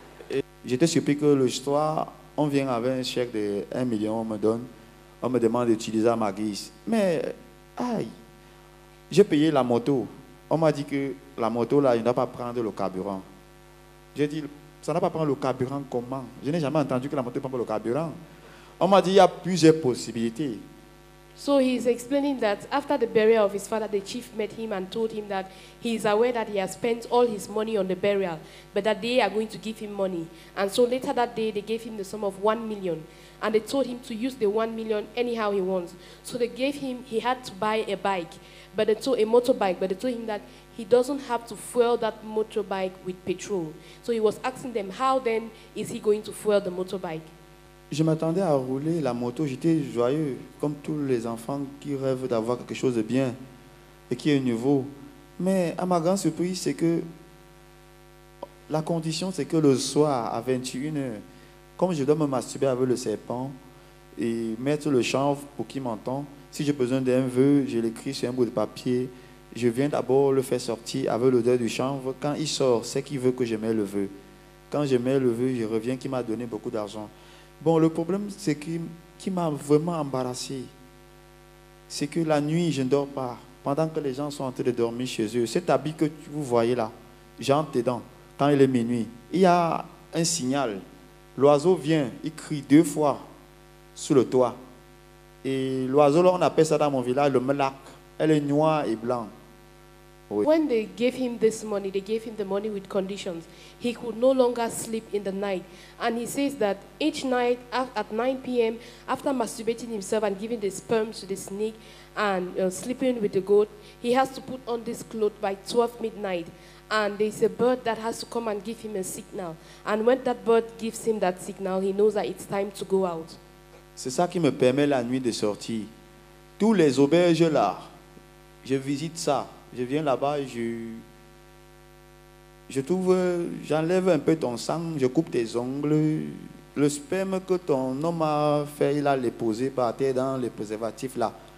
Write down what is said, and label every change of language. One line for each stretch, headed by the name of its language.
French: Et j'étais surpris que le soir, on vient avec un chèque de 1 million, on me donne, on me demande d'utiliser ma guise. Mais, aïe, j'ai payé la moto. On m'a dit que la moto, là, je ne dois pas prendre le carburant. J'ai dit, ça ne doit pas prendre le carburant comment? Je n'ai jamais entendu que la moto prend le carburant. On m'a dit, il y a plusieurs possibilités.
English: So he's explaining that after the burial of his father, the chief met him and told him that he is aware that he has spent all his money on the burial, but that they are going to give him money. And so later that day, they gave him the sum of 1 million, and they told him to use the 1 million anyhow he wants. So they gave him, he had to buy a bike, but they told, a motorbike, but they told him that he doesn't have to fuel that motorbike with petrol. So he was asking them, how then is he going to fuel the motorbike?
French: Je m'attendais à rouler la moto, j'étais joyeux, comme tous les enfants qui rêvent d'avoir quelque chose de bien et qui est nouveau. Mais à ma grande surprise, c'est que la condition, c'est que le soir, à 21h, comme je dois me masturber avec le serpent et mettre le chanvre pour qu'il m'entende, si j'ai besoin d'un vœu, je l'écris sur un bout de papier, je viens d'abord le faire sortir avec l'odeur du chanvre. Quand il sort, c'est qu'il veut que je mette le vœu. Quand je mets le vœu, je reviens qu'il m'a donné beaucoup d'argent. Bon, le problème, c'est qui m'a vraiment embarrassé, c'est que la nuit, je ne dors pas. Pendant que les gens sont en train de dormir chez eux, cet habit que vous voyez là, j'entre dedans, quand il est minuit, il y a un signal. L'oiseau vient, il crie deux fois sous le toit. Et l'oiseau, là, on appelle ça dans mon village le malak. Elle est noire et blanche.
English: When they gave him this money, they gave him the money with conditions. He could no longer sleep in the night. And he says that each night at 9 p.m., after masturbating himself and giving the sperm to the snake and sleeping with the goat, he has to put on this cloth by 12 midnight. And there's a bird that has to come and give him a signal. And when that bird gives him that signal, he knows that it's time to go out.
French: C'est ça qui me permet la nuit de sortir. Tous les auberges là, je visite ça. Je viens là-bas, je trouve, j'enlève un peu ton sang, je coupe tes ongles. Le sperme que ton homme a fait, il a déposé par terre dans les préservatifs là.